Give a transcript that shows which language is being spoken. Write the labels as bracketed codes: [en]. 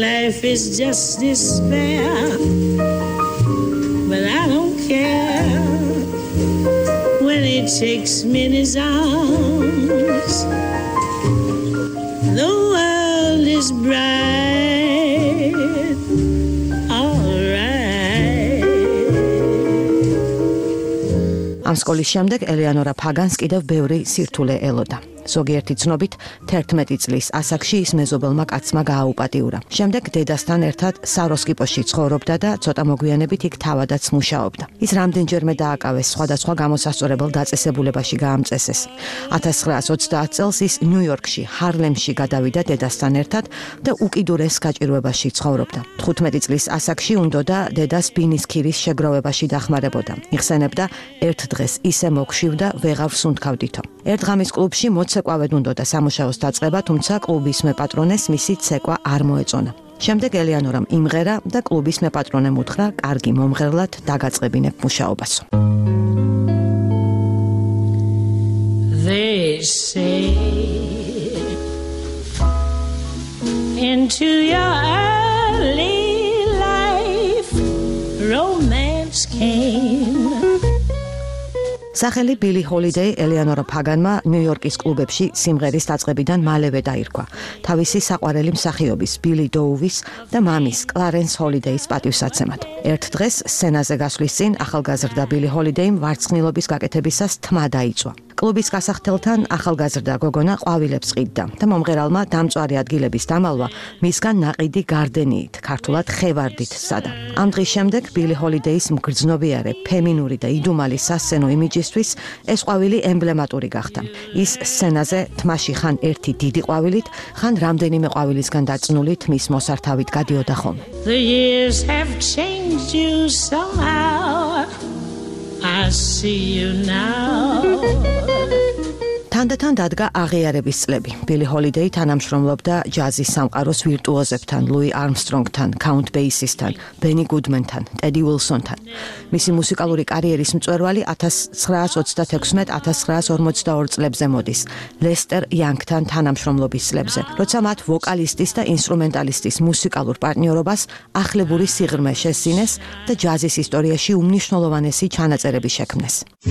[en] Life is just despair, but I don't care. When he takes me in his arms, the world is bright, all right. [ka] ამ სკოლის შემდეგ ელეანორა ფაგანს კიდევ ბევრი სირთულე ელოდა. ზოგიერთი ცნობით 11 წლის ასაკში ის მეზობელმა კაცმა გააუპატიურა. შემდეგ დედასთან ერთად საროსკიპოში ცხოვრობდა და ცოტა მოგვიანებით იქ თავადაც მუშაობდა. ის რამდენჯერმე დააკავეს სხვადასხვა გამოსასწორებელ დაწესებულებაში გაამწესეს. 1920 წელს ის ნიუ-იორკში, ჰარლემში გადავიდა დედასთან ერთად და უკიდურეს გაჭირვებაში ცხოვრობდა. 15 წლის ასაკში უნდოდა დედას ბინისქირის შეგროვებაში დახმარებოდა. იხსენებდა, ერთ დღეს ისე მოგშივდა, ვეღარ სუნთქავდითო. ერთ ღამის კლუბში მოცეკვავედ უნდოდა სამუშაოს დაწყება, თუმცა კლუბის მეპატრონეს მისი ცეკვა არ მოეწონა. შემდეგ ელეანორამ იმღერა და კლუბის მეპატრონემ უთხრა, კარგი მომღერლად დაგაწყებინებ მუშაობასო. [en] They say into your early life romance came. [ka] სახელი ბილი ჰოლიდეი ელეანორა ფაგანმა ნიუ-იორკის კლუბებში სიმღერის დაწყებიდან მალევე დაირქვა. თავისი საყვარელი მსახიობის ბილი დოუვის და მამის კლარენს ჰოლიდეის პატივსაცემად. ერთ დღეს სცენაზე გასვლის წინ ახალგაზრდა ბილი ჰოლიდეიმ ვარცხნილობის გაკეთებისას თმა დაიწვა. კლუბის გასახთელთან ახალგაზრდა გოგონა ყვავილებს ყიდდა და მომღერალმა დამწვარი ადგილების დამალვა მისგან ნაყიდი გარდენიით, ქართულად ხევარდით სადა. ამ დღის შემდეგ ბილი ჰოლიდეის მგრძნობიარე, ფემინური და იდუმალი სასცენო იმიჯისთვის ეს ყვავილი ემბლემატური გახდა. ის სცენაზე თმაში ხან ერთი დიდი ყვავილით, ხან რამდენიმე ყვავილისგან დაწნული თმის მოსართავით გადიოდა ხოლმე. [en] The years have changed you somehow. I see you now. [ka] თანდათან დადგა აღიარების წლები. ბილი ჰოლიდეი თანამშრომლობდა ჯაზის სამყაროს ვირტუოზებთან, ლუი არმსტრონგთან, კაუნტ ბეისისთან, ბენი გუდმენთან, ტედი უილსონთან. მისი მუსიკალური კარიერის მწვერვალი 1926-1942 წლებზე მოდის, ლესტერ იანგთან თანამშრომლობის წლებზე, როცა მათ ვოკალისტის და ინსტრუმენტალისტის მუსიკალურ პარტნიორობას ახლებური სიღრმე შესინეს და ჯაზის ისტორიაში უმნიშვნელოვანესი ჩანაწერები შექმნეს.